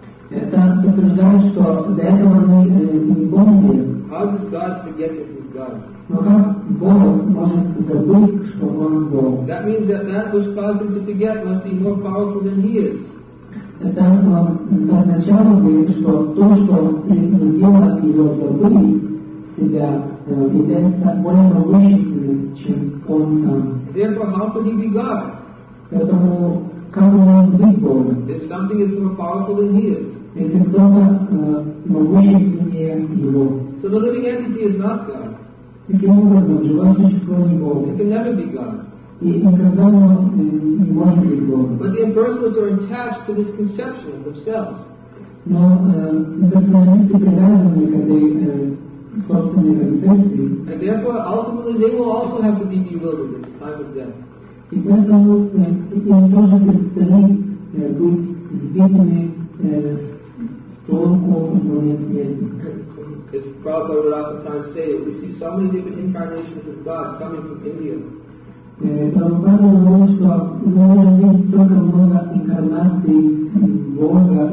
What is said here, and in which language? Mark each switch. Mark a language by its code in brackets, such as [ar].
[ru] Это подтверждает, что до этого они не помнили. [en] How does God forget that He's God? [ru] Но как Бог может забыть, что Он Бог? [en] That means that that which caused Him to forget must be more powerful than He is. [ru] Это означало, что то, что предупредило его забыть себя, является более могущественным, чем он сам. [en] Therefore, how could he be God? [ru] Поэтому, как он может быть Богом? [en] If something is more powerful than he is. [ru] Если кто-то могущественнее его. [en] So the living entity is not God. [ru] Таким образом, живое существо не Бог. [en] It can never be God. [ru] Никогда не может быть Богом. [en] But the impersonalists are attached to this conception themselves. [ru] Но имперсоналисты привязаны к этой собственной концепции. [en] And therefore, ultimately, they will also have to be bewildered at the time of death. [ru] И поэтому им тоже предстоит быть сбитыми с толку в момент смерти. [en] As Prabhupada would oftentimes say, we see so many different incarnations of God coming from India. [ru] Прабхупада говорит, что мы можем видеть только много инкарнаций Бога в